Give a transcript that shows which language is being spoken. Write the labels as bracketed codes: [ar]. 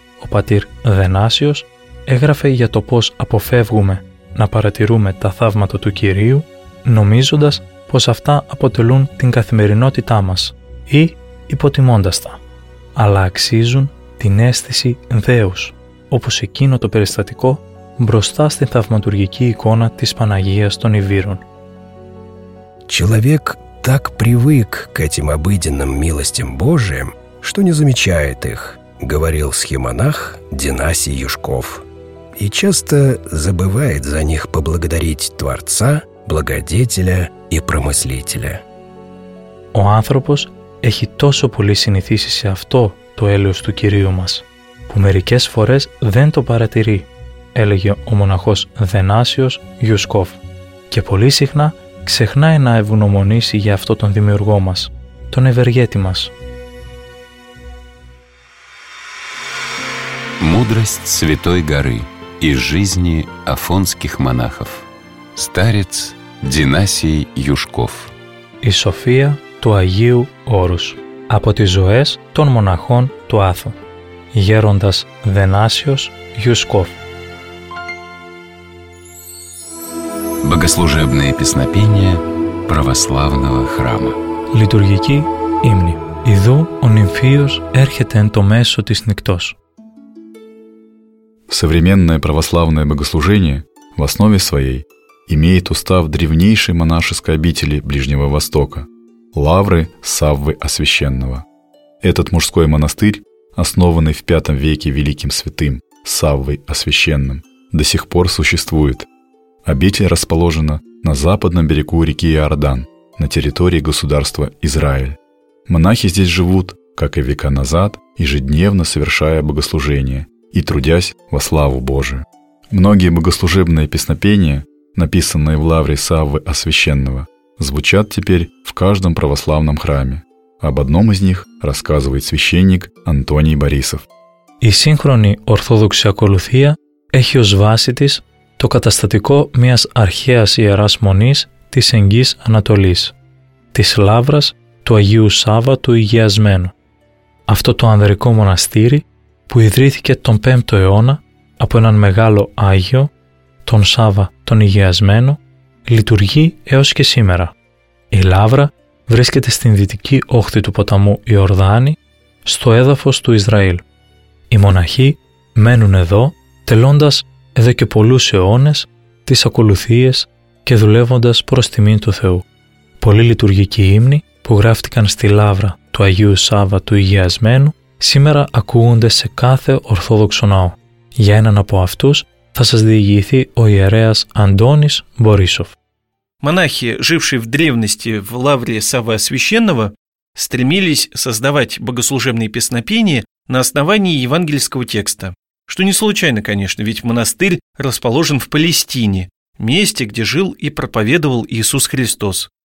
[el] Ο πατήρ Δενάσιος έγραφε για το πώς αποφεύγουμε να παρατηρούμε τα θαύματα του Κυρίου, νομίζοντας πως αυτά αποτελούν την καθημερινότητά μας ή υποτιμώντας τα, αλλά αξίζουν την αίσθηση δέους, όπως εκείνο το περιστατικό μπροστά στην θαυματουργική εικόνα της Παναγίας των Ιβύρων. [ru] Человек так привык к этим обыденным милостям Божиим, что не замечает их, говорил схимонах Динасий Юшков, и часто забывает за них поблагодарить Творца, Благодетеля и Промыслителя. [el] Ο άνθρωπος έχει τόσο πολύ συνηθίσει σε αυτό το έλεος του Κυρίου μας, που μερικές φορές δεν το παρατηρεί, έλεγε ο μοναχός Δενάσιος Γιουσκόφ, και πολύ συχνά ξεχνάει να ευγνωμονήσει για αυτό τον δημιουργό μας, τον ευεργέτη μας. [ru] Мудрость Святой Горы из жизни афонских монахов. Старец Динасий Юшков. [el] Η σοφία του Αγίου Όρους από τις ζωές των μοναχών του Άθου. Γέροντας Δενάσιος Γιουσκόφ. [ru] Богослужебные песнопения православного храма. [el] Λειτουργική ύμνη. Ιδού ο νυμφίος έρχεται εν το μέσο της νυχτός. [ru] Современное православное богослужение в основе своей имеет устав древнейшей монашеской обители Ближнего Востока – Лавры Саввы Освященного. Этот мужской монастырь, основанный в V веке великим святым Саввой Освященным, до сих пор существует. Обитель расположена на западном берегу реки Иордан, на территории государства Израиль. Монахи здесь живут, как и века назад, ежедневно совершая богослужение и трудясь во славу Божию. Многие богослужебные песнопения, написанные в лавре Саввы Освященного, звучат теперь в каждом православном храме. Об одном из них рассказывает священник Антоний Борисов. [el] Η σύγχρονη ορθόδοξη ακολουθία έχει ως βάση της το καταστατικό μιας αρχαίας ιεράς μονής της Εγγύης Ανατολής, της Λαύρας του Αγίου Σάββα του Υγειασμένου. Αυτό το ανδρικό μοναστήρι που ιδρύθηκε τον 5ο αιώνα από έναν μεγάλο Άγιο, τον Σάββα τον Υγειασμένο, λειτουργεί έως και σήμερα. Η Λαύρα βρίσκεται στην δυτική όχθη του ποταμού Ιορδάνη, στο έδαφος του Ισραήλ. Οι μοναχοί μένουν εδώ, τελώντας εδώ και πολλούς αιώνες τις ακολουθίες και δουλεύοντας προς τιμήν του Θεού. Πολλοί λειτουργικοί ύμνοι που γράφτηκαν στη Λαύρα του Αγίου Σάββα του Υγειασμένου σήμερα ακούγονται σε κάθε Ορθόδοξο ναό. Για έναν από αυτούς θα σας διηγηθεί ο ιερέας Αντώνης Μπορίσοφ. [ru] Μονάχοι, жившие в древности в Лавре Саввы Освященного, стремились создавать богослужебные песнопения на основании евангельского текста. Что не случайно, конечно, ведь монастырь расположен в Палестине, месте, где жил и проповедовал Иисус Христос.